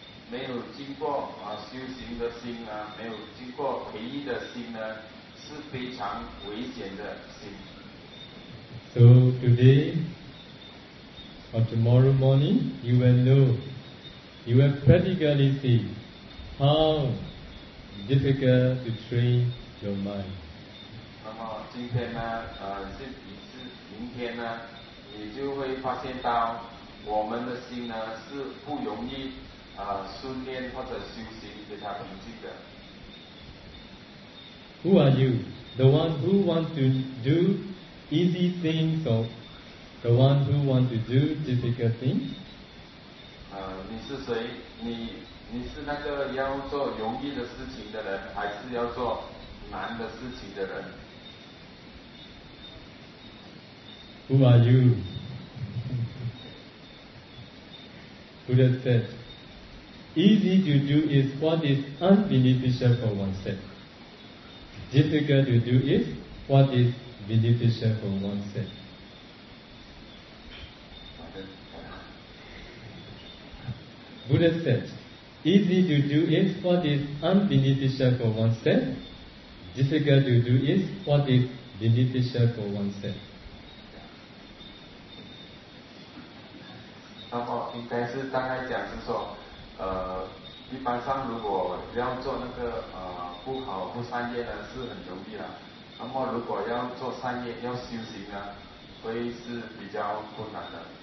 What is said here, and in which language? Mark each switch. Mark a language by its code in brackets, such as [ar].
[zh] 没有经过啊修行的心呢，没有经过培育的心呢，是非常危险的心。 [en] So today or tomorrow morning, you will know, you will practically see how difficult to train your mind. [zh] 那么今天呢，是明天呢，你就会发现到我们的心呢是不容易。训练或者修行给他平静的。 [en] Who are you? The one who wants to do easy things or the one who wants to do difficult things? [zh] 你是谁？你是那个要做容易的事情的人，还是要做难的事情的人？ [en] Who are you? Buddha said. Easy to do is what is unbeneficial for oneself. Difficult to do is what is beneficial for oneself. Buddha said, easy to do is what is unbeneficial for oneself. Difficult to do is what is beneficial for oneself. [zh] 那么应该是大概讲是说一般上如果要做那个不好不善业呢是很容易的，那么如果要做善业要修行呢会是比较困难的。